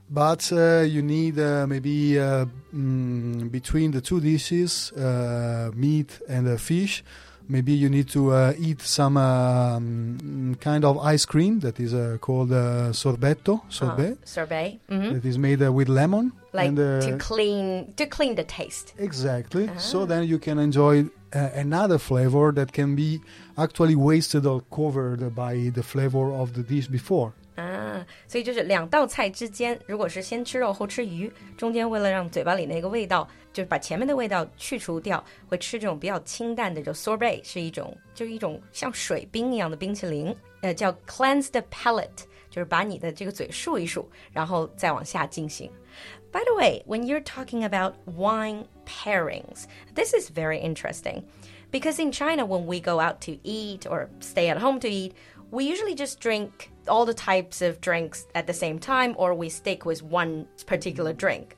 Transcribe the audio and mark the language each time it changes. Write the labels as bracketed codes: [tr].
[en] But you need between the two dishes, meat and fish, maybe you need to eat some kind of ice cream that is called sorbet. Sorbet. Mm-hmm. That is made with lemon. Like to clean the taste. Exactly. Uh-huh. So then you can enjoy another flavor that can be actually wasted or covered by the flavor of the dish before. [zh] Ah, 所以就是两道菜之间，如果是先吃肉后吃鱼，中间为了让嘴巴里那个味道，就是把前面的味道去除掉，会吃这种比较清淡的，就 sorbet 是一种，就是一种像水冰一样的冰淇淋，叫 [en] cleanse the palate， [zh] 就是把你的这个嘴漱一漱，然后再往下进行。 [en] By the way, when you're talking about wine pairings, this is very interesting. Because in China, when we go out to eat or stay at home to eat, we usually just drink all the types of drinks at the same time, or we stick with one particular drink.